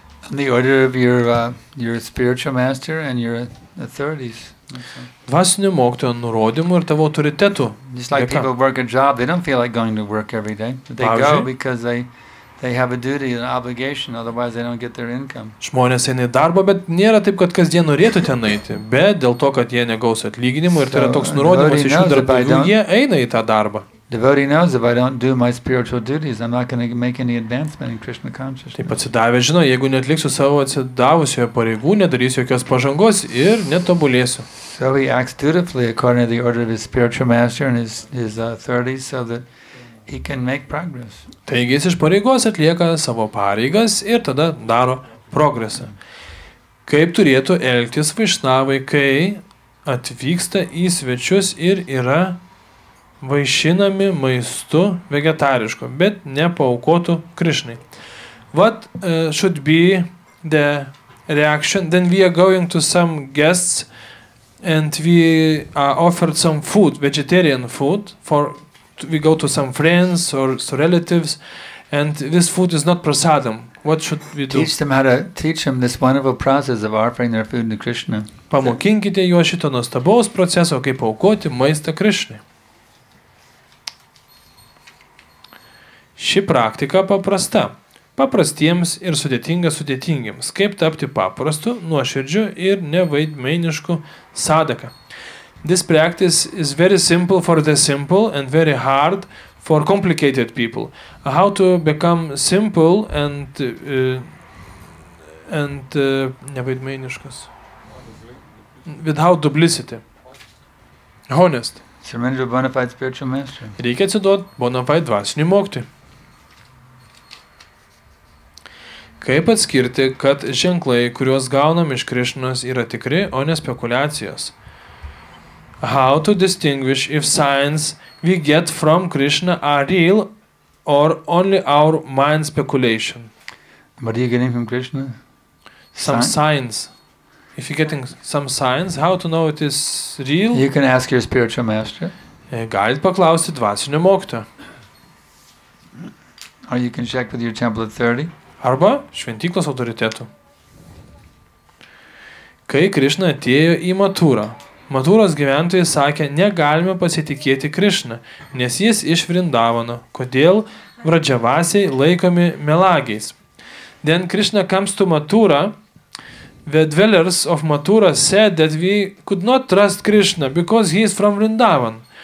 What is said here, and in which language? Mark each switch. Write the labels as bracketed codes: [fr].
[en] In the order of your spiritual master and your authorities. [lt] Dvasinių mokytojų nurodymų ir tavo autoritetų. [en] Just like people work a job, they don't feel like going to work every day. They go because they have a duty and obligation, otherwise they don't get their income. [lt] Žmonės eina į darbą, bet nėra taip, kad kasdien norėtų ten eiti. Bet dėl to, kad jie negaus atlyginimų ir tai yra toks nurodymas iš jų darbdavių, jie eina į tą darbą. [en] Devotee knows if I don't do my spiritual duties, I'm not going to make any advancement in Krishna consciousness. [lt] Taip atsidavę žino, jeigu netliksiu savo atsidavusioje pareigų, nedarysiu jokios pažangos ir netobulėsiu. [en] So he acts dutifully according to the order of his spiritual master and his authorities so that he can make progress. [lt] Taigi jis iš pareigos atlieka savo pareigas ir tada daro progresą. Kaip turėtų elgtis vaišnavai, kai atvyksta į svečius ir yra vaišinami maistu vegetarišku, bet nepaukotų Krishnai. [en] What should be the reaction? Then we are going to some guests and we are offered some food, vegetarian food, for we go to some friends or relatives and this food is not prasadam. What should we do? Teach them this wonderful process of offering their food to Krishna. [lt] Pamokinkite juos šito nuostabaus proceso, kaip paukoti maistą Krishnai. Ši praktika paprasta. Paprastiems ir sudėtinga sudėtingiems. Kaip tapti paprastu, nuoširdžiu ir nevaidmeinišku sadaka. [en] This practice is very simple for the simple and very hard for complicated people. How to become simple and nevaidmeiniškas? Without duplicity. Honest. Surrender to bona fide spiritual master. [lt] Reikia atsiduot bona fide dvasinį mokytį. Kaip atskirti, kad ženklai, kuriuos gaunam iš Krishnos, yra tikri, o ne spekuliacijos? [en] How to distinguish if signs we get from Krishna are real or only our mind speculation? What are you getting from Krishna? Some signs. If you're getting some signs, how to know it is real? You can ask your spiritual master. [lt] Galit paklausti dvasinio mokytojo. [en] Or you can check with your temple authority. [lt] Arba šventyklos autoritetų. Kai Krishna atėjo į Mathurą, Mathuros gyventojai sakė, negalime pasitikėti Krishna, nes jis iš Vrindavano, kodėl Vrajavasiai laikomi melagiais. [en] Then Krishna comes to Mathura, the dwellers of Mathura said that we could not trust Krishna because he is from Vrindavan.